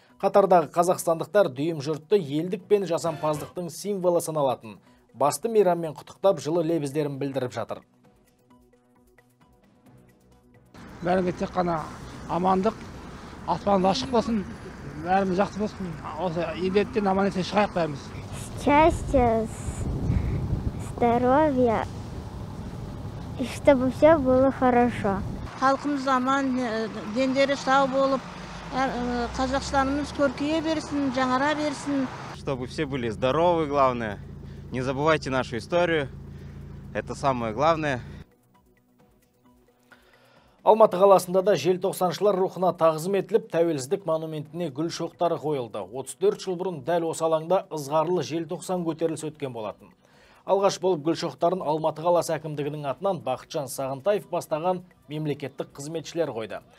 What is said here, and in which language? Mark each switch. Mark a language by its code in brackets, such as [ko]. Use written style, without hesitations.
[kk] Қатардағы қазақстандықтар дүйім жұртты елдік пен жасампаздықтың символы саналатын. Басты мейраммен құттықтап жылы лебіздерін білдіріп жатыр. Бәрімізге тек қана амандық, аспан ашық болсын, бәріміз жақсы болсын. Осы елдіктен аман-есен шығайық бәріміз. [ru] Счастье, здоровье, и чтобы все было хорошо. [kk] Халқымыз аман, дендері сау болып, Қазақстанымыз көркейе берсін, жаңара берсін. [ru] Чтобы все были здоровы, главное. Не забывайте нашу историю. Это самое главное. [kk] Алматы қаласында да желтоқсаншылар рухына тағзым етіліп, тәуелсіздік монументіне гүл шоқтары қойылды. 34 жыл бұрын дәл осы алаңда ызғарлы желтоқсан көтерілісі өткен болатын. Алғаш болып гүл шоқтарын Алматы қаласы әкімдігінің атынан Бақытжан Сағынтаев бастаған мемлекеттік қызметшілер қойды.